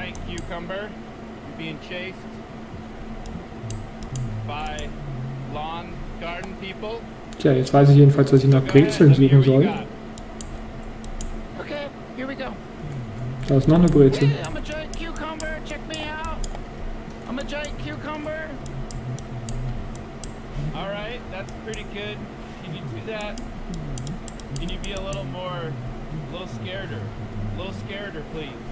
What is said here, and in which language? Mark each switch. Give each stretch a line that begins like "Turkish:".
English: Cucumber, you're being chased by lawn garden people.
German: Tja, jetzt weiß ich jedenfalls, dass ich nach Brezeln suchen soll.
English: Okay, here we go.
German: Da ist noch eine Brezel.
English: Hey, I'm a giant cucumber, check me out. I'm a giant cucumber. Alright, that's pretty good. Can you do that? Can you be a little scareder, please?